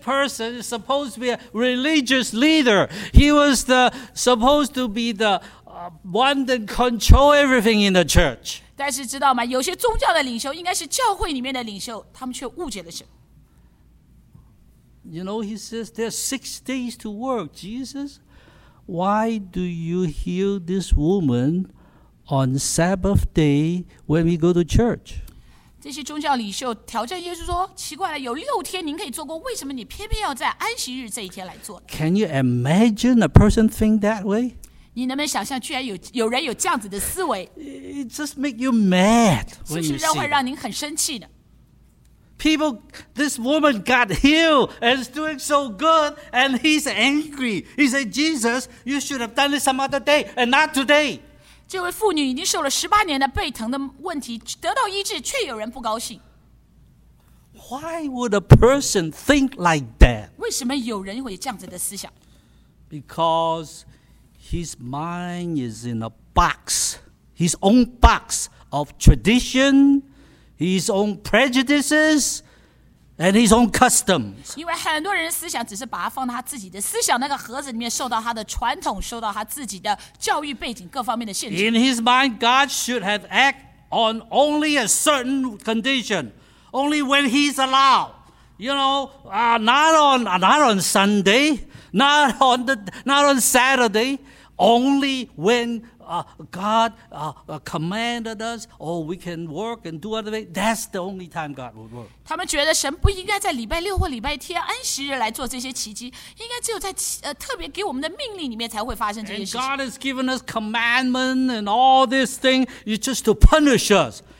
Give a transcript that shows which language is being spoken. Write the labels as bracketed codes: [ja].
[en] And this person is supposed to be a religious leader. He was supposed to be the one that control everything in the church. [zh] 但是知道吗？有些宗教的领袖应该是教会里面的领袖，他们却误解了神。 [en] You know, he says there's 6 days to work, Jesus. Why do you heal this woman on Sabbath day when we go to church? [zh] 这些宗教领袖挑战耶稣说：“奇怪了，有六天您可以做工，为什么你偏偏要在安息日这一天来做？” [en] Can you imagine a person think that way? [zh] 你能不能想象，居然有人有这样子的思维 [en] ？It just make you mad. [zh] 是不是会让您很生气呢？ [en] People, this woman got healed and is doing so good, and he's angry. He said, "Jesus, you should have done this some other day and not today." [zh] 这位妇女已经受了十八年的背疼的问题，得到医治却有人不高兴。 [en] Why would a person think like that? [zh] 为什么有人会这样子的思想？ [en] Because his mind is in a box, his own box of tradition, his own prejudices, and his own customs. [zh] 因为很多人思想只是把它放到他自己的思想那个盒子里面，受到他的传统，受到他自己的教育背景各方面的限制。 [en] In his mind, God should have acted on only a certain condition. Only when he's allowed, you know, not on Sunday, not on Saturday, only when God commanded us, or we can work and do other things. That's the only time God would work. [zh] 他们觉得神不应该在礼拜六或礼拜天安息日来做这些奇迹，应该只有在特别给我们的命令里面才会发生这些事情。 [en] And God has given us commandment and all this thing is just to punish us.